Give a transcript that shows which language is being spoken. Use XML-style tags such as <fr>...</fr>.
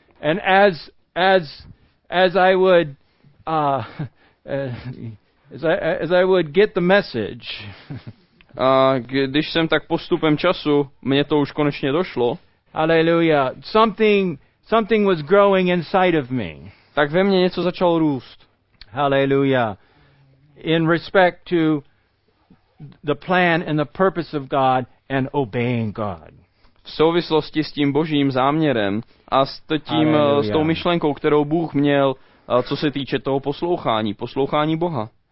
<en>And as I would as I would get the message.</en> <cs>A když jsem tak postupem času, mně to už konečně došlo.</cs> <en>Hallelujah. Something was growing inside of me.</en> <cs>Tak ve mně něco začalo růst.</cs> <en>Hallelujah. In respect to the plan and the purpose of God and obeying God.</en> <cs>V souvislosti s tím Božím záměrem a s tím, s tou myšlenkou, kterou Bůh měl, co se týče toho poslouchání Boha.</cs>